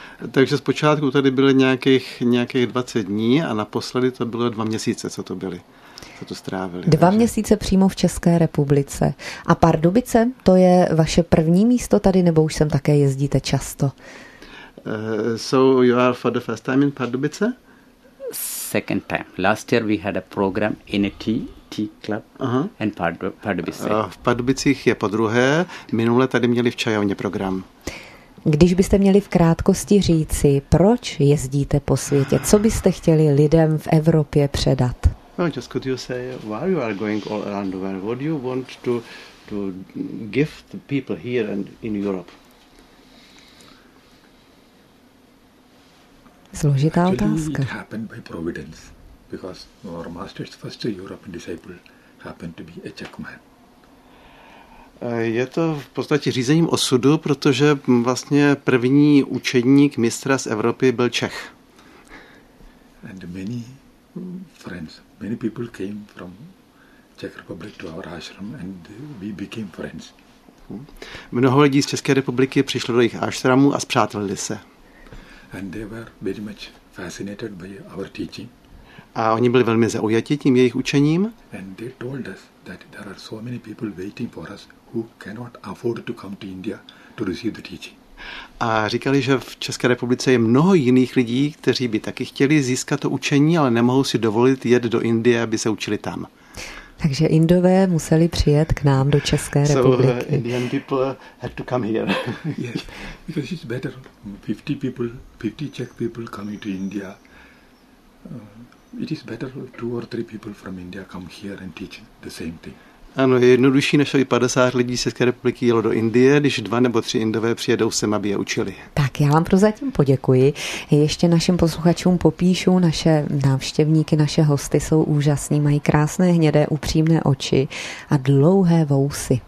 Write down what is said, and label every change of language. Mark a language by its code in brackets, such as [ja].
[cs] Takže zpočátku tady byly nějakých 20 dní a naposledy to bylo 2 měsíce, co to byly, co to strávili. Dva měsíce přímo v České republice. A Pardubice, to je vaše první místo tady, nebo už sem také jezdíte často? [en] So you are for the first time in Pardubice? Second time. Last year we had a program in a tea club in Pardubice. [cs] V Pardubicích je po druhé, minule tady měli v čajovně program. Když byste měli v krátkosti říci, proč jezdíte po světě, co byste chtěli lidem v Evropě předat? [en] Well, just could you say why you are going all around the world? What do you want to give the people here and in Europe? [cs] Složitá otázka. [en] Actually, it happened by providence. because our master's first European disciple happened to be a Czech man. [cs] Je to v podstatě řízením osudu, protože vlastně první učedník mistra z Evropy byl Čech. [en] And many friends, many people came from Czech Republic to our ashram and we became friends. [cs] Mnoho lidí z České republiky přišlo do jejich ashramu a spřátelili se. [en] And they were very much fascinated by our teaching. [cs] A oni byli velmi zaujati tím jejich učením. [en] And they told us that there are so many people waiting for us who cannot afford to come to India to receive the teaching. [cs] A říkali, že v České republice je mnoho jiných lidí, kteří by taky chtěli získat to učení, ale nemohou si dovolit jet do Indie, aby se učili tam. Takže Indové museli přijet k nám do České republiky. [en] So Indian people had to come here. Yes, because it's better. 50 Czech people coming to India. It is better two or three people from India come here and teach the same thing. [cs] Ano, je jednodušší, než aby 50 lidí z České republiky jelo do Indie, když 2 nebo 3 Indové přijedou sem, aby je učili. Tak, já vám prozatím poděkuji. Ještě našim posluchačům popíšu, naše návštěvníky, naše hosty jsou úžasní, mají krásné hnědé upřímné oči a dlouhé vousy.